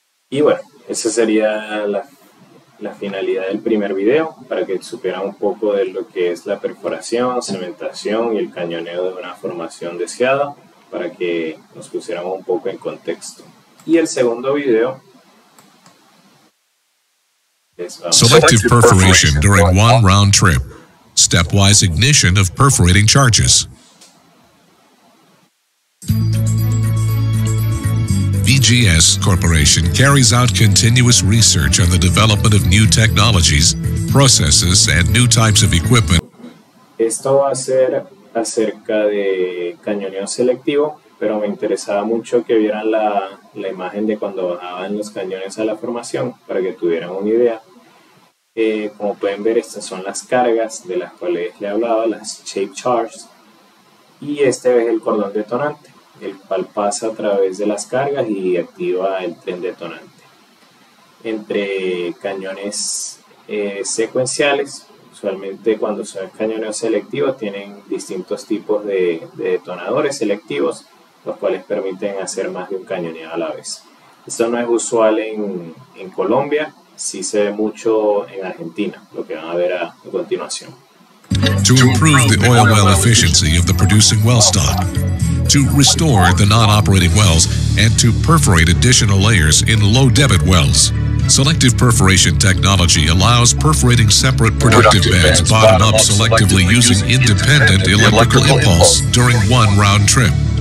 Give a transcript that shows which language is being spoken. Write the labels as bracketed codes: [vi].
[es] Y bueno, esa sería la finalidad del primer video, para que supieran un poco de lo que es la perforación, cementación y el cañoneo de una formación deseada, para que nos pusiéramos un poco en contexto. Y el segundo video es... [en] Selective perforation during one round trip. Stepwise ignition of perforating charges. VGS Corporation carries out continuous research on the development of new technologies, processes, and new types of equipment. [es] Esto va a ser acerca de cañoneo selectivo, pero me interesaba mucho que vieran la imagen de cuando bajaban los cañones a la formación para que tuvieran una idea. Como pueden ver, estas son las cargas de las cuales le hablaba, las shape charges, y este es el cordón detonante, el cual pasa a través de las cargas y activa el tren detonante. Entre cañones secuenciales, usualmente cuando son cañones selectivos, tienen distintos tipos de detonadores selectivos, los cuales permiten hacer más de un cañoneo a la vez. Esto no es usual en Colombia, sí se ve mucho en Argentina, lo que van a ver a continuación. [en] To improve the oil well efficiency of the producing well stock, to restore the non-operating wells, and to perforate additional layers in low-debit wells. Selective perforation technology allows perforating separate productive beds bottom-up selectively using independent electrical impulse during one round trip.